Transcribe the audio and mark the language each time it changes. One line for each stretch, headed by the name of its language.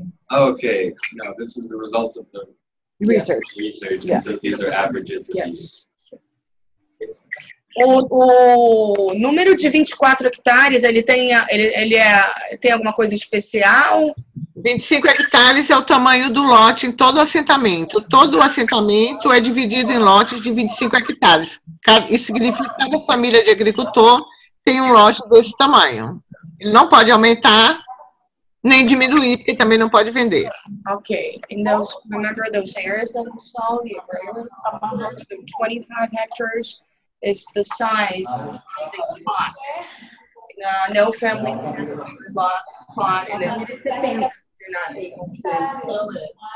English: Ok, now this is the result of the research. These are averages. Yes.
Portuguese: O número de 24 hectares, ele tem alguma coisa especial? 25 hectares é o tamanho do lote em todo o assentamento. Todo o assentamento é dividido em lotes de 25 hectares. Isso significa que cada família de agricultor tem um lote desse tamanho. Ele não pode aumentar nem diminuir, porque também não pode vender. Ok.
English: And remember those areas that we saw, the areas of 25 hectares? It's the size of the plot. No family plot, and you're not able to sell it.